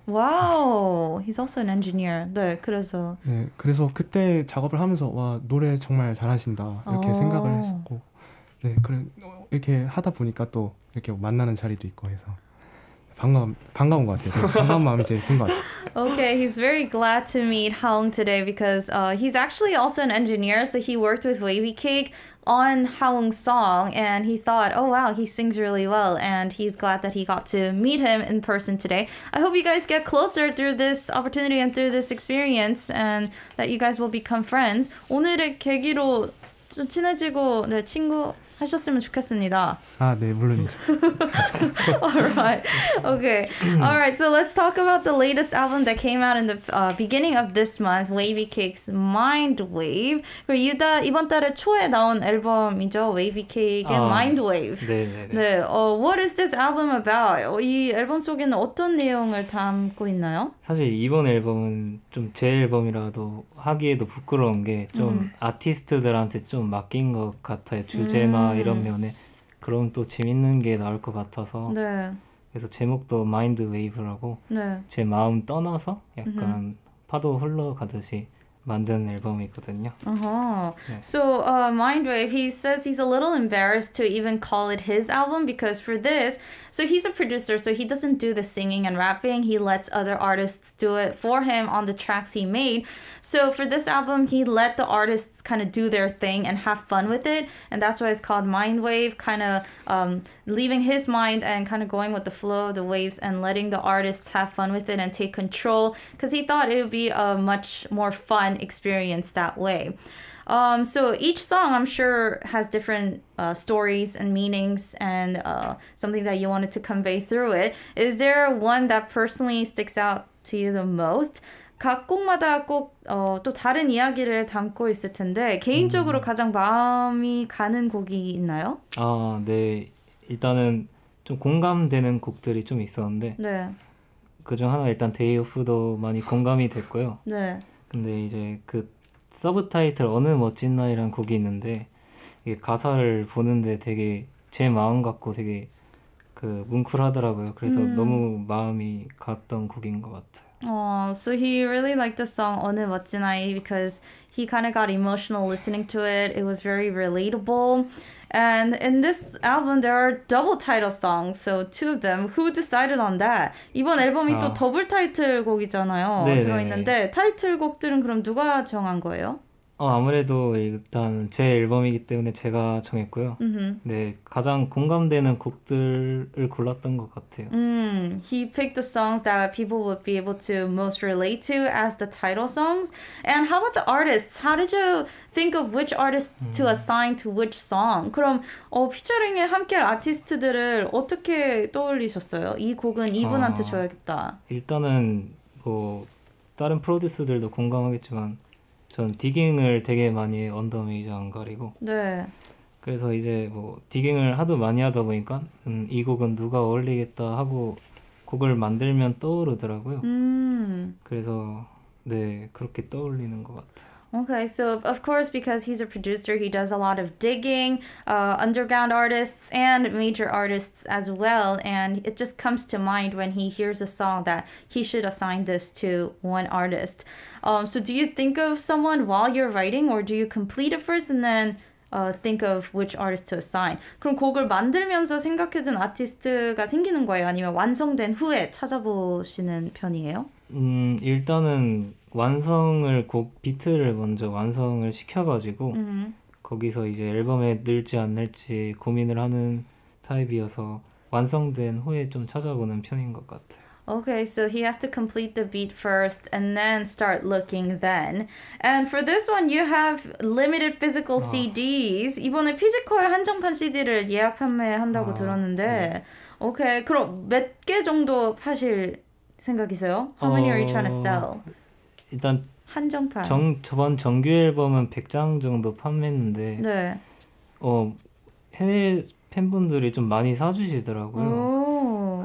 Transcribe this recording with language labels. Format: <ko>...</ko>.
<en>와우! He's also an engineer.</en> <ko>네, 그래서. 네, 그래서 그때 작업을 하면서 와, 노래 정말 잘하신다 이렇게 생각을 했었고 네, 이렇게 하다 보니까 또 이렇게 만나는 자리도 있고 해서 반가운 것 같아요. 반가운 마음이 제일 큰 것 같아요.</ko> <en>Okay, he's very glad to meet Haoyoung today because he's actually also an engineer, so he worked with Wavy Cake on Haoyoung's song, and he thought, oh wow, he sings really well, and he's glad that he got to meet him in person today. I hope you guys get closer through this opportunity and through this experience, and that you guys will become friends.</en> <ko>오늘의 계기로 좀 친해지고 네, 친구 하셨으면 좋겠습니다. 아, 네, 물론이죠.</ko> <en>Alright, okay. Alright, so let's talk about the latest album that came out in the beginning of this month, Wavy Cake's Mind Wave.</en> <ko>그리고 이번 달에 초에 나온 앨범이죠, Wavy Cake의 Mind Wave. 네, 네, 네.</ko> <en>What is this album about?</en> <ko>이 앨범 속에는 어떤 내용을 담고 있나요? 사실 이번 앨범은 좀 제 앨범이라도 하기에도 부끄러운 게 좀 아티스트들한테 좀 맡긴 것 같아요, 주제는. 이런 면에 그럼 또 재밌는 게 나올 것 같아서 네. 그래서 제목도 마인드 웨이브라고 네. 제 마음 떠나서 약간 파도 흘러가듯이 만든 앨범이거든요.</ko> <en>So Mind Wave, he says he's a little embarrassed to even call it his album because for this, so he's a producer, so he doesn't do the singing and rapping. He lets other artists do it for him on the tracks he made. So for this album, he let the artists kind of do their thing and have fun with it. And that's why it's called Mind Wave, kind of leaving his mind and kind of going with the flow of the waves and letting the artists have fun with it and take control because he thought it would be a much more fun experience that way. So each song I'm sure has different stories and meanings and something that you wanted to convey through it. Is there one that personally sticks out to you the most?</en> <ko>각 곡마다 꼭 또 다른 이야기를 담고 있을 텐데 개인적으로 가장 마음이 가는 곡이 있나요? 아, 네. 일단은 좀 공감되는 곡들이 좀 있었는데 네. 그중 하나 일단 Day Off도 많이 공감이 됐고요. 네. 근데 이제 그 서브타이틀 어느 멋진 날이란 곡이 있는데 이게 가사를 보는데 되게 제 마음 같고 되게 그 뭉클하더라고요. 그래서 너무 마음이 갔던 곡인 것 같아요.</ko> <en>Oh, so he really liked the song 어느 멋진 아이 because he kind of got emotional listening to it. It was very relatable. And in this album, there are double title songs, so two of them. Who decided on that?</en> <ko>이번 앨범이 또 아, 더블 타이틀 곡이잖아요. 네네네. 들어있는데, 타이틀 곡들은 그럼 누가 정한 거예요? 아무래도 일단 제 앨범이기 때문에 제가 정했고요. 네, 가장 공감되는 곡들을 골랐던 것 같아요.</ko> <en>He picked the songs that people would be able to most relate to as the title songs. And how about the artists? How did you think of which artists to assign to which song?</en> <ko>그럼 피처링에 함께할 아티스트들을 어떻게 떠올리셨어요? 이 곡은 이분한테 아, 줘야겠다. 일단은 뭐 다른 프로듀서들도 공감하겠지만 전 디깅을 되게 많이 해, 언더메이저한 거리고 그래서 이제 뭐 디깅을 하도 많이 하다 보니까 이 곡은 누가 어울리겠다 하고 곡을 만들면 떠오르더라고요. 그래서 네, 그렇게 떠올리는 것 같아요.</ko> <en>Okay, so of course, because he's a producer, he does a lot of digging, underground artists and major artists as well. And it just comes to mind when he hears a song that he should assign this to one artist. So do you think of someone while you're writing, or do you complete it first and then think of which artist to assign?</en> <ko>그럼 곡을 만들면서 생각해둔 아티스트가 생기는 거예요? 아니면 완성된 후에 찾아보시는 편이에요? 일단은 완성을 곡 비트를 먼저 완성을 시켜가지고 거기서 이제 앨범에 넣을지 안 넣을지 고민을 하는 타입이어서 완성된 후에 좀 찾아보는 편인 것 같아요.</ko> <en>Okay, so he has to complete the beat first and then start looking then. And for this one, you have limited physical CDs.</en> <ko>이번에 피지컬 한정판 CD를 예약 판매한다고 아, 네. 들었는데. Okay, 그럼 몇개 정도 파실 생각이세요?</ko> <en>How many are you trying to sell?</en> <ko>일단 한정판. 저번 정규 앨범은 100장 정도 판매했는데 해외 팬분들이 좀 많이 사주시더라고요.</ko>